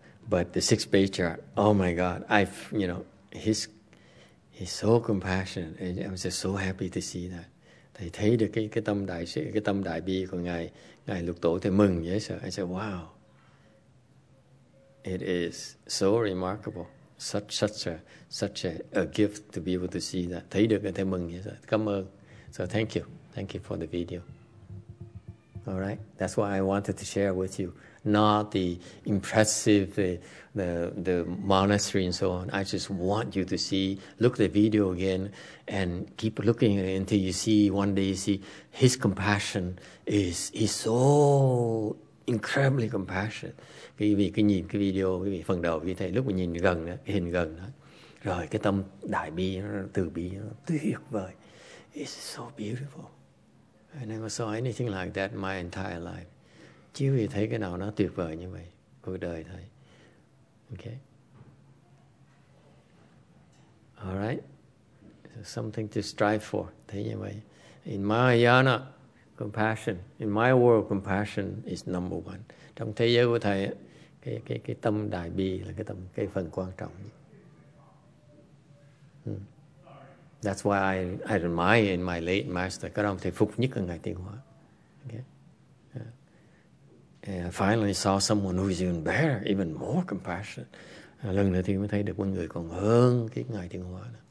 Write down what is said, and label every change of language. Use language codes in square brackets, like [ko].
[en] But the sixth patriarch, oh my God, he's so compassionate. And I'm just so happy to see that. [vi] Thầy thấy được cái tâm đại sư, cái tâm đại bi của ngài Lục Tổ thì mừng dễ sợ. [en] I said, wow, it is so remarkable. Such a gift to be able to see that. [vi] Thấy được thì mừng dễ sợ. Cảm ơn. [en] So thank you for the video. All right, that's what I wanted to share with you. Not the impressive, the monastery and so on. I just want you to see, look at the video again, and keep looking until you see, one day you see, his compassion is so incredibly compassionate. [vi] Quý vị cứ nhìn cái video, quý vị phần đầu, quý thầy lúc mà nhìn gần, cái hình gần đó. Rồi cái tâm đại bi, từ bi, tuyệt vời. [en] It's so beautiful. I never saw anything like that in my entire life. [vi] Chỉ vì thấy cái nào nó tuyệt vời như vậy, cuộc đời thôi. [en] Okay. All right. So something to strive for. [vi] Thế như vậy. [en] In Mahayana, compassion. In my world, compassion is number one. [vi] Trong thế giới của thầy, cái tâm đại bi là cái phần quan trọng. [en] That's why I admire in my late master. [vi] Cái đó ông thầy phục nhất là ngài Tiên Hóa. [en] Okay. And I finally saw someone who is even better, even more compassionate. [vi] Lần nữa thì mới thấy được một người còn hơn cái ngài Tiên Hóa.